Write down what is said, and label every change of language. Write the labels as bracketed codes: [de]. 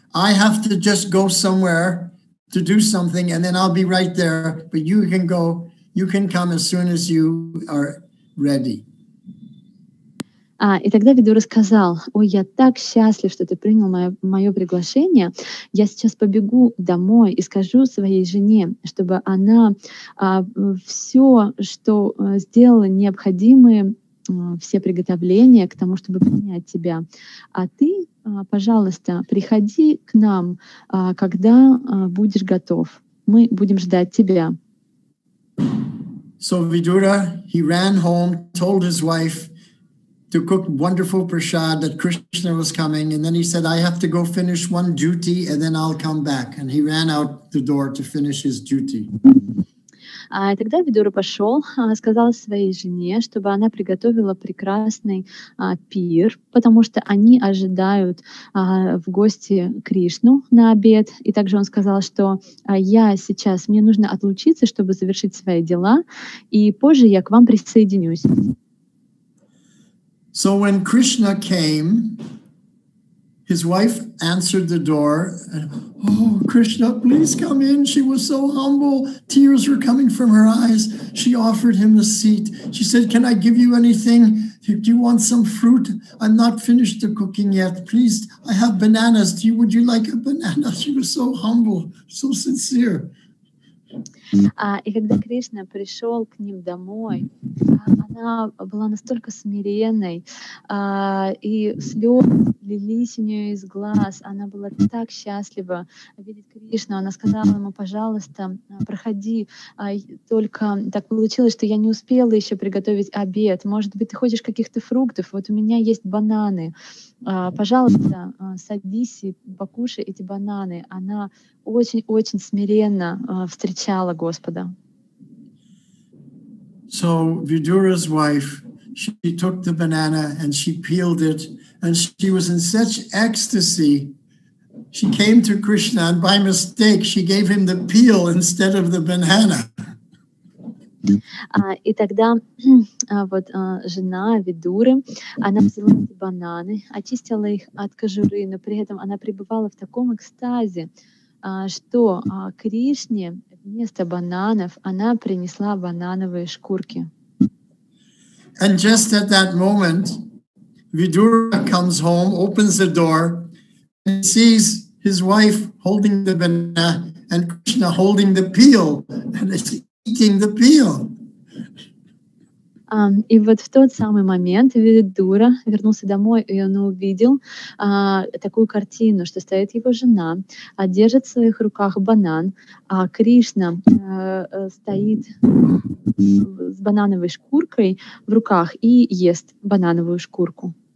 [en] I have to just go somewhere to do something, and then I'll be right there, but you can go. You can come as soon as you are ready." [ru] И тогда Видура сказал: "Ой, я так счастлив, что ты принял мое приглашение. Я сейчас побегу домой и скажу своей жене, чтобы она все, что сделала, необходимые все приготовления к тому, чтобы принять тебя. А ты, пожалуйста, приходи к нам, когда будешь готов. Мы будем ждать тебя." [en] So Vidura, he ran home, told his wife to cook wonderful prasad, that Krishna was coming, and then he said, "I have to go finish one duty, and then I'll come back." And he ran out the door to finish his duty. [ru] Тогда Видура пошел, сказал своей жене, чтобы она приготовила прекрасный пир, потому что они ожидают в гости Кришну на обед. И также он сказал, что я сейчас, мне нужно отлучиться, чтобы завершить свои дела, и позже я к вам присоединюсь. [en] So when Krishna came, his wife answered the door, "Oh, Krishna, please come in." She was so humble. Tears were coming from her eyes. She offered him a seat. She said, "Can I give you anything? Do you want some fruit? I'm not finished the cooking yet. Please, I have bananas. Would you like a banana? She was so humble, so sincere. [ru] И когда Кришна пришел к ним домой, она была настолько смиренной, и слезы лились у нее из глаз. Она была так счастлива видеть Кришну. Она сказала ему: «Пожалуйста, проходи. Только так получилось, что я не успела еще приготовить обед. Может быть, ты хочешь каких-то фруктов? Вот у меня есть бананы. Пожалуйста, садись и покушай эти бананы». Она очень-очень смиренно встречала Господа. [en] So Vidura's wife, she took the banana and she peeled it, and she was in such ecstasy. She came to Krishna, and by mistake, she gave him the peel instead of the banana. [ru] И тогда вот жена Видуры, она взяла эти бананы, очистила их от кожуры, но при этом она пребывала в таком экстазе, что Кришне вместо бананов она принесла банановые шкурки. [en] And just at that moment, Vidura comes home, opens the door, and sees his wife holding the banana and Krishna holding the peel, and eating the peel. [ru] И вот в тот самый момент Видура вернулся домой, и он увидел такую картину, что стоит его жена, держит в своих руках банан, а Кришна стоит с банановой шкуркой в руках и ест банановую шкурку.